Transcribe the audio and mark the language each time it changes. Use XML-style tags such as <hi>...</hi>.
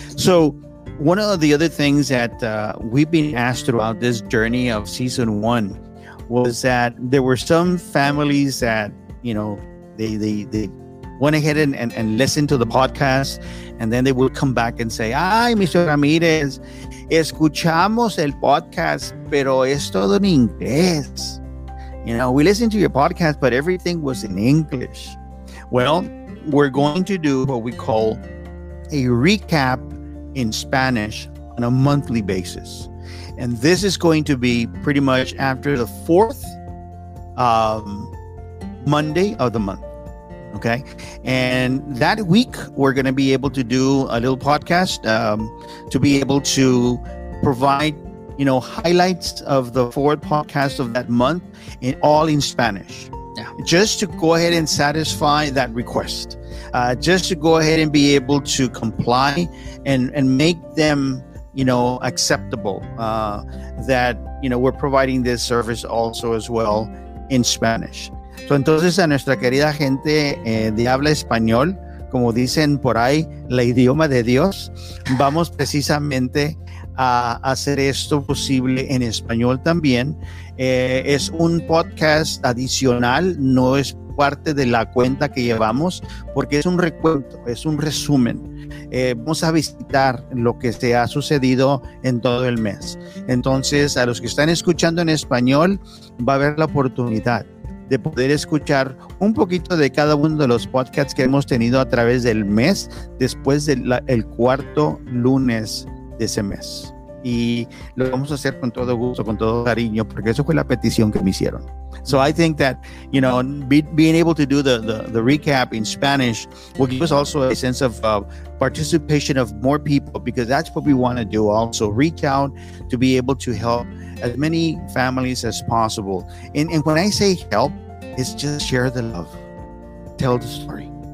<en>So one of the other things that we've been asked throughout this journey of season one was that there were some families that, you know, they went ahead and listened to the podcast, and then they would come back and say, "Ay, Mr.</en> <es>Ramirez, escuchamos el podcast, pero es todo en inglés.</es> <en>You know, we listened to your podcast, but everything was in English." Well, we're going to do what we call a recap in Spanish on a monthly basis. And this is going to be pretty much after the fourth Monday of the month. Okay. And that week, we're going to be able to do a little podcast to be able to provide, you know, highlights of the forward podcast of that month in all in Spanish. Yeah. Just to go ahead and satisfy that request, just to go ahead and be able to comply and make them, you know, acceptable that, you know, we're providing this service also as well in Spanish.</en> <es>So, entonces, a nuestra querida gente de habla español, como dicen por ahí, la idioma de Dios, vamos precisamente a hacer esto posible en español también. Es un podcast adicional, no es parte de la cuenta que llevamos, porque es un recuento, es un resumen. Vamos a visitar lo que se ha sucedido en todo el mes. Entonces, a los que están escuchando en español, va a haber la oportunidad de poder escuchar un poquito de cada uno de los podcasts que hemos tenido a través del mes, después del el cuarto lunes de ese mes. Y lo vamos a hacer con todo gusto, con todo cariño, porque eso fue la petición que me hicieron.</es> <en>So I think that, you know, being able to do the recap in Spanish will give us also a sense of participation of more people, because that's what we want to do also, reach out to be able to help as many families as possible. And when I say help, it's just share the love, tell the story.</en>